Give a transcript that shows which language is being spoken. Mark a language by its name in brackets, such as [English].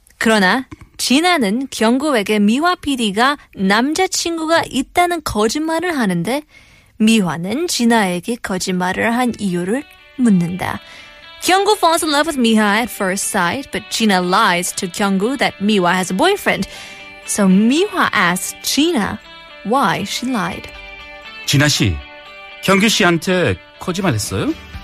[Korean] 그러나 진아는 경구에게 미화 PD가 남자친구가 있다는 거짓말을 하는데 미화는 진아에게 거짓말을 한 이유를 묻는다. [English] 경구 falls in love with Miwa at first sight, but Gina lies to 경구 that Miwa has a boyfriend. So Miwa asks Gina why she lied. [Korean] 진아 씨, 경구 씨한테 거짓말했어요?